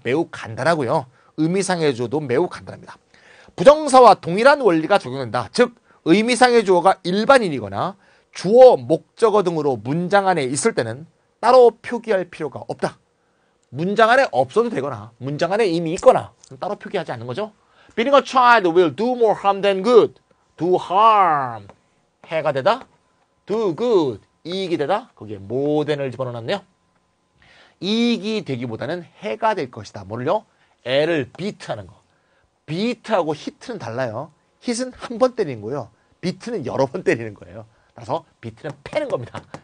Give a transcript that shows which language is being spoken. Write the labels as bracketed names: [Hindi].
[Korean] 매우 간단하고요. 의미상의 주어도 매우 간단합니다. 부정사와 동일한 원리가 적용된다. 즉 의미상의 주어가 일반인이거나 주어, 목적어 등으로 문장 안에 있을 때는 따로 표기할 필요가 없다. 문장 안에 없어도 되거나 문장 안에 이미 있거나 따로 표기하지 않는 거죠. [English] Being a child will do more harm than good. [Korean] Do harm. 해가 되다. Do good. 이익이 되다. 거기에 more than을 집어넣었네요. 이익이 되기보다는 해가 될 것이다. 뭐를요? 애를 beat하는 거. beat하고 hit는 달라요. hit은 한 번 때리는 거예요. beat는 여러 번 때리는 거예요. 따라서 비트는 패는 겁니다.